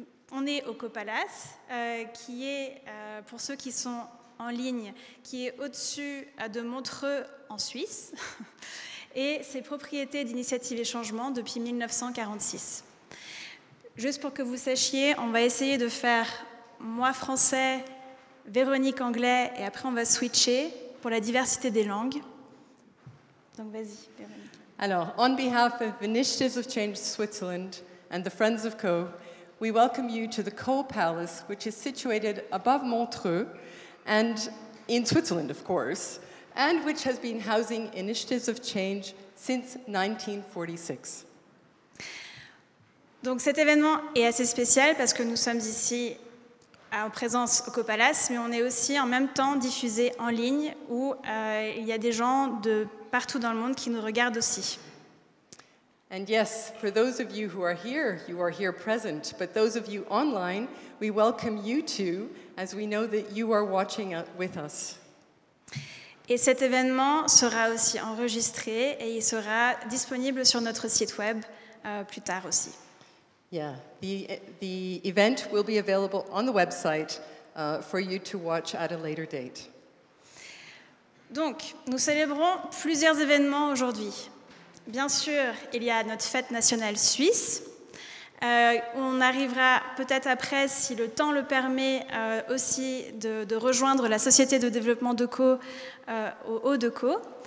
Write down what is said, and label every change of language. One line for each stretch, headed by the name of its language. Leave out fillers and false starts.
French: On est au Caux Palace, qui est, pour ceux qui sont en ligne, qui est au-dessus de Montreux, en Suisse, et c'est propriété d'Initiative et Changement depuis 1946. Juste pour que vous sachiez, on va essayer de faire moi français, Véronique anglais, et après on va switcher pour la diversité des langues. Donc vas-y, Véronique.
English: Alors, on behalf of Initiatives of Change Switzerland and the Friends of Caux, we welcome you to the Caux Palace, which is situated above Montreux, and in Switzerland, of course, and which has been housing Initiatives of Change since 1946.
French: Donc cet événement est assez spécial parce que nous sommes ici en présence au Caux Palace, mais on est aussi en même temps diffusé en ligne où il y a des gens de partout dans le monde qui nous regardent aussi.
English: And yes, for those of you are here present, but those of you online, we welcome you too, as we know that you are watching with us.
French: Et cet événement sera aussi enregistré et il sera disponible sur notre site web plus tard aussi.
English: Yeah, the event will be available on the website for you to watch at a later date.
French: Donc, nous célébrons plusieurs événements aujourd'hui. Bien sûr, il y a notre fête nationale suisse. On arrivera peut-être après, si le temps le permet, aussi de rejoindre la Société de développement de Caux au Haut de Caux.